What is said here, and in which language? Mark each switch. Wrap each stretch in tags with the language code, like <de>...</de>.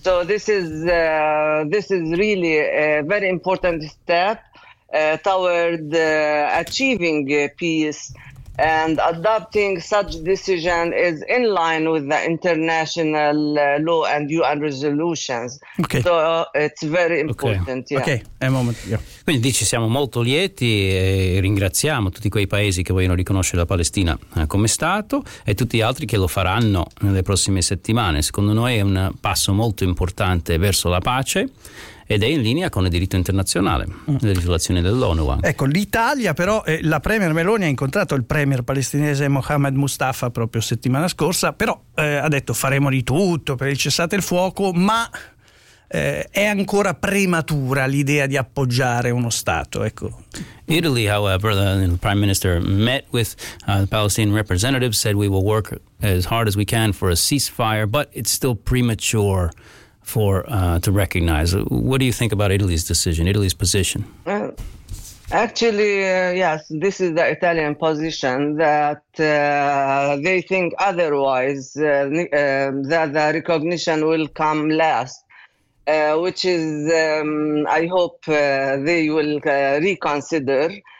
<en>So this is really a very important step toward achieving peace, and adopting such decision is in line with the international law and UN resolutions. Okay. So it's very important. Okay. Yeah. Okay, a moment. Yeah.</en> <it>Quindi dice, siamo molto lieti e ringraziamo tutti quei paesi che vogliono riconoscere la Palestina come Stato, e tutti gli altri che lo faranno nelle prossime settimane. Secondo noi è un passo molto importante verso la pace, ed è in linea con il diritto internazionale, le legislazioni dell'ONU anche. Ecco, l'Italia però, la Premier Meloni ha incontrato il Premier palestinese Mohammed Mustafa proprio settimana scorsa, però ha detto faremo di tutto per il cessate il fuoco, ma è ancora prematura l'idea di appoggiare uno Stato, ecco.</it> <en>Italy, however, the Prime Minister met with the Palestinian representatives, said we will work as hard as we can for a ceasefire, but it's still premature for to recognize. What do you think about Italy's decision, Italy's position? Actually, yes, this is the Italian position, that they think otherwise, that the recognition will come last, which is, I hope they will reconsider.</en>